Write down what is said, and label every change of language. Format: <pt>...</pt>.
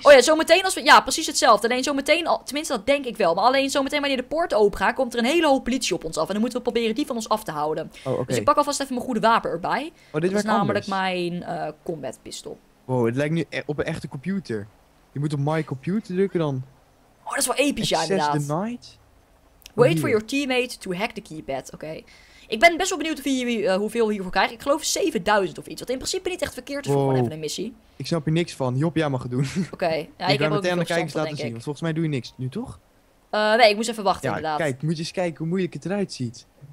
<nl>Oh ja, zometeen als we... Ja, precies hetzelfde. Alleen zometeen... Tenminste, dat denk ik wel. Maar alleen zometeen wanneer de poort open gaat, komt er een hele hoop politie op ons af. En dan moeten we proberen die van ons af te houden.</nl> <en>Oh, okay.</en> <nl>Dus ik pak alvast even mijn goede wapen erbij. Oh, dit dat werkt is namelijk anders. Mijn combat pistol. Wow, het lijkt nu op een echte computer. Je moet op my computer drukken dan. Oh, dat is wel episch, ja, inderdaad. Access denied?</nl> <en>Wait for your teammate to hack the keypad.</en> <nl>Oké. Okay. Ik ben best wel benieuwd hoeveel we hiervoor krijgen. Ik geloof 7000 of iets. Wat in principe niet echt verkeerd is voor gewoon even een missie. Ik snap hier niks van. Job, jij mag het doen. Oké. Okay. Ja, ik heb meteen ook de kijkers laten zien. Want volgens mij doe je niks nu, toch? Nee, ik moest even wachten, ja, inderdaad. Kijk, moet je eens kijken hoe moeilijk het eruit ziet.</nl>